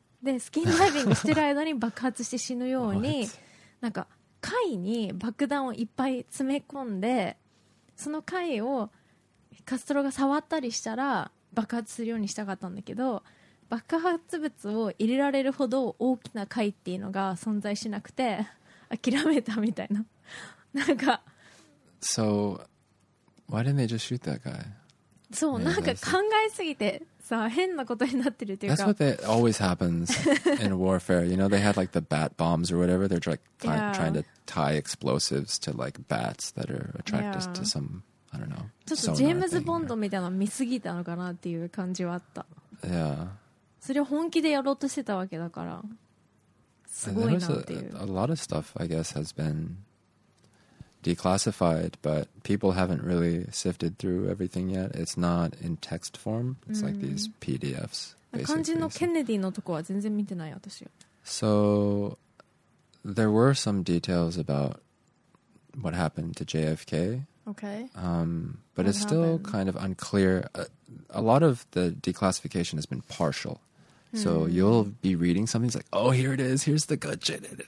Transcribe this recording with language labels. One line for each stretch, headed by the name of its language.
Japanese: でスキンダイビングしてる間に爆発して死ぬようになんか貝に爆弾をいっぱい詰め込んで、その貝をカストロが触ったりしたら爆発するようにしたかったんだけど、爆発物を入れられるほど大きな貝っていうのが存在しなくて諦めたみたいな。なんか
English: So why didn't they just shoot that guy?
Japanese: そう、なんか考えすぎてさ、変なことになってるっていうか。
English: That's what that always happens in warfare. You know, they had like the bat bombs or whatever. They're like trying to tie explosives to like bats that are attracted to some, I don't know.
Japanese: ちょっとジェームズ・ボンドみたいな見すぎたのかなっていう感じはあった。
English: Yeah.
Japanese: それを本気でやろうとしてたわけだから。すごいなっていう。
English: A lot of stuff, I guess, has been declassified, but people haven't really sifted through everything yet. It's not in text form. It's like these PDFs.
Japanese: 肝心のケネディのとこは全然見てない私。
English: So there were some details about what happened to JFK. Okay. But it's still kind of unclear. A lot of the declassification has been partial. So you'll be reading something, it's like, oh, here it is. Here's the good shit.